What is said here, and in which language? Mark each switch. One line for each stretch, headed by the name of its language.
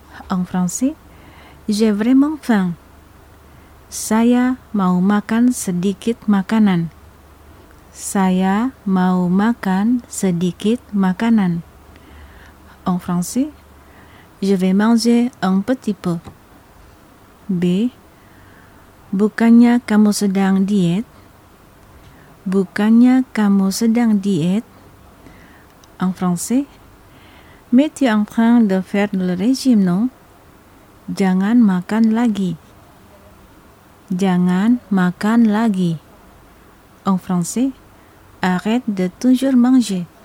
French: En français, j'ai vraiment faim.
Indonesian: Saya mau makan sedikit makanan. Saya mau makan sedikit makanan.
French: En français, je vais manger un petit peu. B.
Indonesian: Bukannya kamu sedang diet? Bukannya kamu sedang diet?
French: En français, mais tu es en train de faire le régime, non?
Indonesian: Jangan makan lagi. Jangan makan lagi.
French: En français, arrête de toujours manger.